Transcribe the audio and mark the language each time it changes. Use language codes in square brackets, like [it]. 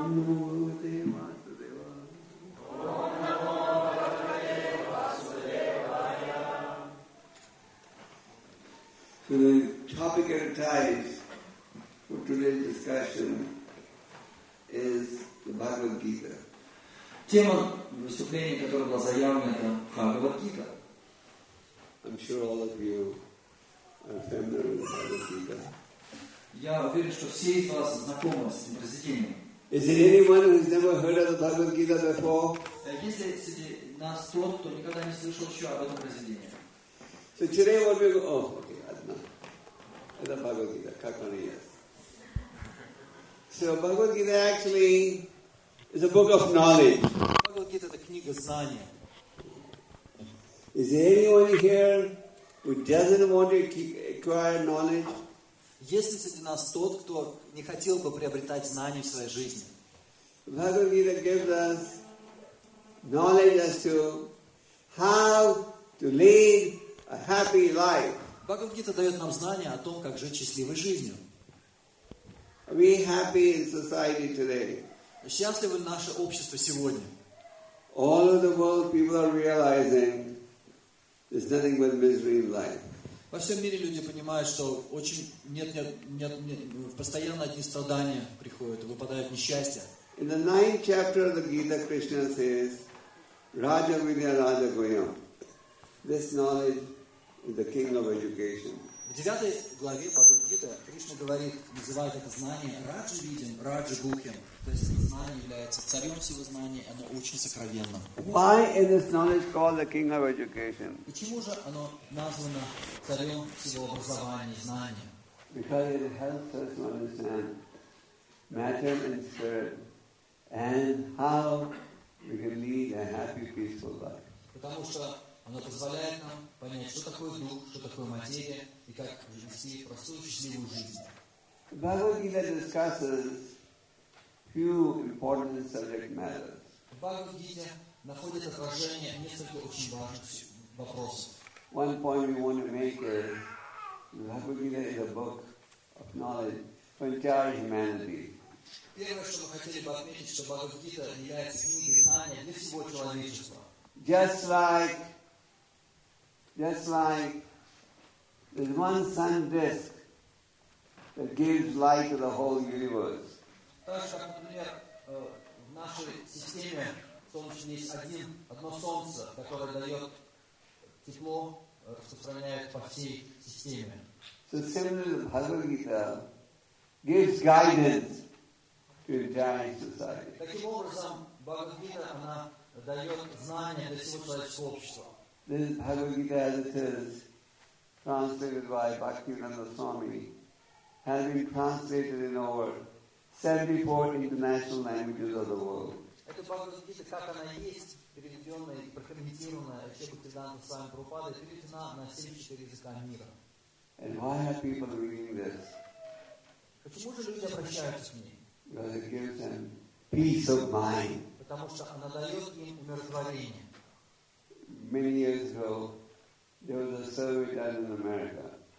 [sa] Ом Намо Бхагавате Васудевая. Ом Намо Бхагавате Васудевая. [en] So the topic of ties for today's discussion is the Bhagavad Gita. [ru] Тема выступления, которая была заявлена, это Бхагавад Гита. [en] I'm sure all of you are familiar with Bhagavad Gita. [ru] Я уверен, что все из вас знакомы с этим произведением. [en] Is there anyone who's never heard of the Bhagavad Gita before? [ru] Если среди нас тот, кто никогда не слышал еще об этом произведении. [en] So today what we go, oh, okay, I don't know. It's the Bhagavad Gita, [ru] как он и есть. [en] So Bhagavad Gita actually is a book of knowledge. [ru] Bhagavad Gita — это книга знания. [en] Is there anyone here who doesn't want to acquire knowledge? [ru] Если среди нас тот, кто не хотел бы приобретать знания в своей жизни. [en] Bhagavad Gita gives us knowledge as to how to lead a happy life. [ru] Bhagavad Gita дает нам знания о том, как жить счастливой жизнью. [en] Are we happy in society today? [ru] Счастливы наше общество сегодня? [en] All of the world people are realizing there's nothing but misery in life. [ru] Во всем мире люди понимают, что очень нет постоянно одни страдания приходят, выпадают несчастья. [en] In the ninth chapter of the Gita, Krishna says, [sa] "Raja Vidya Raja Goyam." [en] This knowledge is the king of education. [ru] В девятой главе Бхагавад Гита Кришна говорит, называет это знание [sa] Раджа Видим, Раджа Гухим. [ru] То есть это знание является царем всего знания, оно очень сокровенно. [en] Why is this knowledge called the king of education? [ru] И чему же оно названо царем всего образования, знания? [en] Because it helps us understand matter and spirit and how we can lead a happy, peaceful life. [ru] Потому что оно позволяет нам понять, что такое дух, что такое материя и как вести простую счастливую жизнь. [en] Bhagavad Gita discusses few important subject matters. [ru] В Бхагавад Гите находит отражение несколько очень важных вопросов. [en] One point we want to make is Bhagavad Gita is a book of knowledge for entire humanity. [ru] Первое, что мы хотели бы отметить, что Бхагавад Гита является книгой знания для всего человечества. [en] Just like there's one sun disk that gives light to the whole universe. [ru] Так же, как, например, в нашей системе Солнечной есть одно Солнце, которое дает тепло, распространяет по всей системе. [en] So similarly, Bhagavad Gita gives guidance to entire society. [ru] Таким образом, Бхагавад Гита, она дает знания для всего человеческого общества. [en] This is Bhagavad Gita as it is translated by Bhaktivinoda Swami, has been translated in over 74 international languages of the world. [ru] Это Бхагавад Гита, как она есть, переведенная и прокомментированная Ачхе Бхактивиданта Свами Прабхупадой, переведена на 74 языка мира. [en] And why are people reading this? [ru] Почему же люди обращаются к ней? [en] Because it gives them peace of mind. [ru] Потому что она дает им умиротворение. [en] Many years ago, there was a survey done in America.